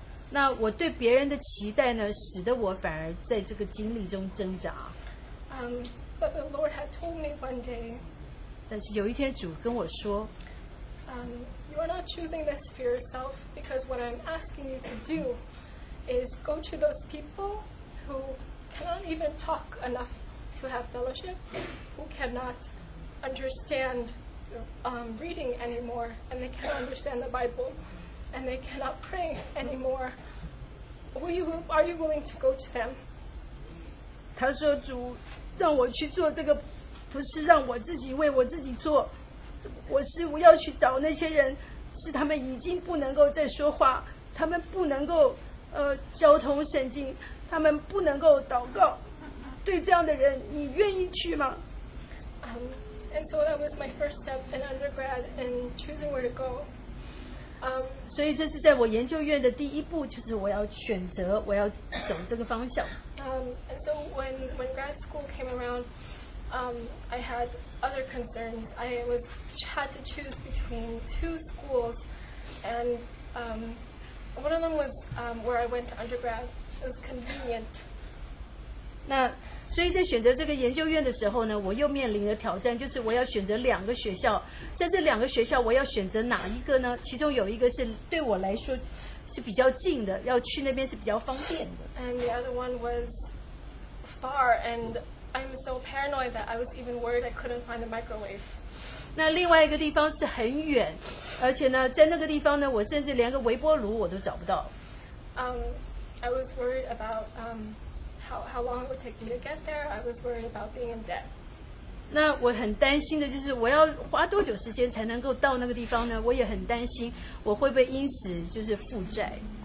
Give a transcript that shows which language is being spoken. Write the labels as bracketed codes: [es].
[zh] 那我对别人的期待呢，使得我反而在这个经历中挣扎。 [en] But the Lord had told me one day. [zh] 但是有一天主跟我说。 [en] You are not choosing this for yourself because what I'm asking you to do is go to those people who cannot even talk enough to have fellowship, who cannot understand reading anymore, and they cannot understand the Bible, and they cannot pray anymore. Are you willing to go to them? [zh] 他说主让我去做这个，不是让我自己为我自己做。 [en] And [zh] 他们不能够交通圣经，他们不能够祷告。对这样的人，你愿意去吗？ [en] And so that was my first step in undergrad in choosing where to go. [zh] 所以这是在我研究院的第一步，就是我要选择，我要走这个方向。 [en] And so when grad school came around, I had other concerns. I was had to choose between two schools, and one of them was where I went to undergrad. It was convenient. [zh] 那所以在选择这个研究院的时候呢，我又面临了挑战，就是我要选择两个学校，在这两个学校我要选择哪一个呢？其中有一个是对我来说是比较近的，要去那边是比较方便的。 [en] And the other one was far, and I'm so paranoid that I was even worried I couldn't find the microwave. [zh] 那另外一个地方是很远，而且呢，在那个地方呢，我甚至连个微波炉我都找不到。 [en] I was worried about how long it would take me to get there. I was worried about being in debt. [zh] 那我很担心的就是我要花多久时间才能够到那个地方呢？我也很担心我会不会因此就是负债。